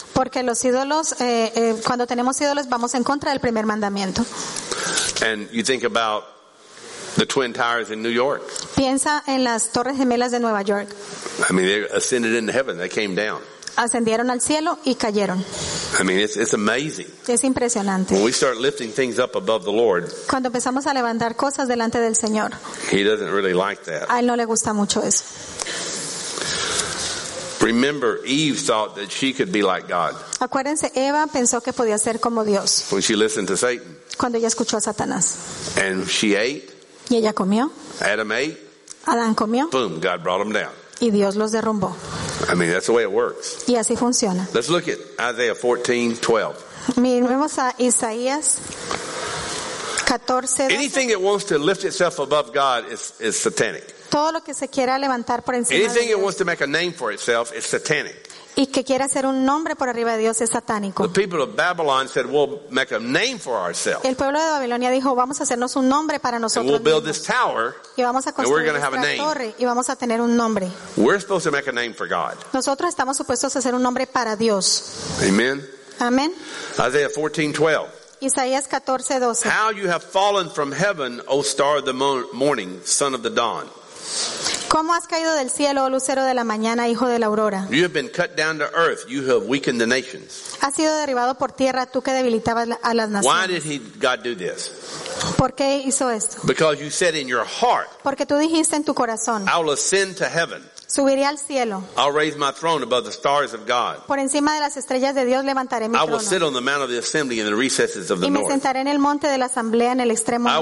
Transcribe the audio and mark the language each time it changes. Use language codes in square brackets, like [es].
[es] Porque los ídolos, cuando tenemos ídolos, vamos en contra del primer mandamiento. [en] And you think about the Twin Towers in New York. [es] Piensa en las Torres Gemelas de Nueva York. [en] I mean, they ascended into heaven. They came down. [es] Ascendieron al cielo y cayeron. [en] I mean, it's amazing. [es] Es impresionante. [en] When we start lifting things up above the Lord, [es] cuando empezamos a levantar cosas delante del Señor, [en] he doesn't really like that. [es] A él no le gusta mucho eso. [en] Remember, Eve thought that she could be like God. [es] Acuérdense, Eva pensó que podía ser como Dios. [en] When she listened to Satan. [es] Cuando ella escuchó a Satanás. [en] And she ate. [es] Y ella comió. [en] Adam ate. [es] Adán comió. [en] Boom, God brought them down. [es] Y Dios los derrumbó. [en] I mean, that's the way it works. [es] Y así funciona. [en] Let's look at Isaiah 14:12. [es] Miremos a Isaías 14:12. [en] Anything that wants to lift itself above God is satanic. [es] Todo lo que se quiera levantar por encima. [en] Anything that wants to make a name for itself is satanic. [es] Y que quiera hacer un nombre por arriba de Dios es satánico. [en] The people of Babylon said, "We'll make a name for ourselves." [es] El pueblo de Babilonia dijo, "Vamos a hacernos un nombre para nosotros mismos." [en] And we'll build this tower. [es] Y vamos a construir esta torre y vamos a tener un nombre. [en] We're supposed to make a name for God. [es] Nosotros estamos supuestos a hacer un nombre para Dios. [en] Amen. [es] Amen. [en] Isaiah 14:12. [es] Isaías 14:12. [en] How you have fallen from heaven, O star of the morning, son of the dawn. [es] ¿Cómo has caído del cielo, oh lucero de la mañana, hijo de la aurora? [en] You have been cut down to earth. You have weakened the nations. [es] Has sido derribado por tierra, tú que debilitabas a las naciones. [en] Why did God do this? [es] ¿Por qué hizo esto? [en] Because you said in your heart. [es] Porque tú dijiste en tu corazón. [en] I will ascend to heaven. [es] Subiré al cielo. [en] I'll raise my throne above the stars of God. [es] Por encima de las estrellas de Dios levantaré mi trono. [en] I will sit on the mount of the assembly in the recesses of the [es] north. Y me sentaré en el monte de la asamblea en el extremo norte.